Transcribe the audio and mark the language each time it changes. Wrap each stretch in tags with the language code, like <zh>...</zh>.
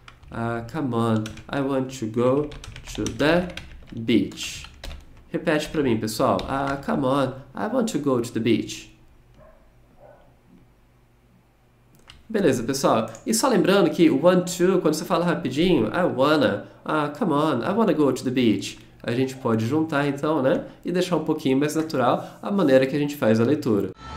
<en>Ah, come on, I want to go to the beach.</en> <pt>Repete pra mim, pessoal.</pt> <en>Ah, come on, I want to go to the beach.</en> <pt>Beleza, pessoal. E só lembrando que o want to, quando você fala rapidinho,</pt> <en>I wanna. Ah, come on, I wanna go to the beach.</en> <pt>A gente pode juntar então, né? E deixar um pouquinho mais natural a maneira que a gente faz a leitura.</pt>